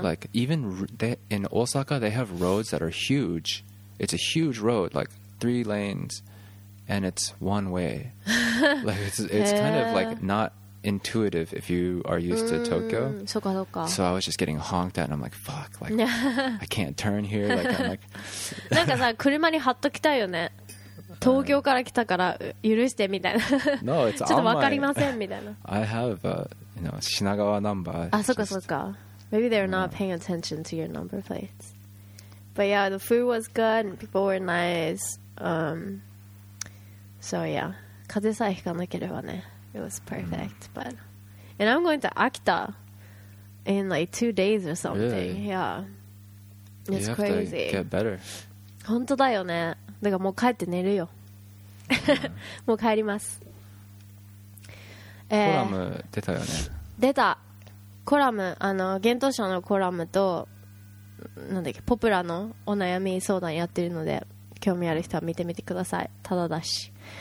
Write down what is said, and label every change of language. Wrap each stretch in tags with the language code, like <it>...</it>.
<en>Like, even in Osaka, they have roads that are huge. It's a huge road, like, three lanes, and it's one way. Like, it's kind of, like, not... intuitive if you are used to Tokyo.</en> <ja>そかそか。</ja> <en>So I was just getting honked at and I'm like, fuck, like, I can't turn here.</en> <ja>なんかさ、車に貼っときたいよね。東京から来たから許してみたいな。</ja> <en>No, it's</en> <ja>ちょっとわかりませんみたいな。</ja> <en>I have a, you know, 品川ナンバー。</en> <ja>あ、そっかそっか。</ja> <en>Maybe they're not paying attention to your number plates. But yeah, the food was good and people were nice. So yeah,</en> <ja>風さえ引かなければね。</ja> <en>It was perfect, but... And I'm going to Akita in like 2 days or something. Really? Yeah. It's crazy. You have to get better.</en> <ja>本当だよね。だからもう帰って寝るよ。もう帰ります。コラム出たよね。出た。コラム、あの、幻冬舎のコラムと、なんだっけ、ポプラのお悩み相談やってるので、興味ある人は見てみてください。ただだし。</ja>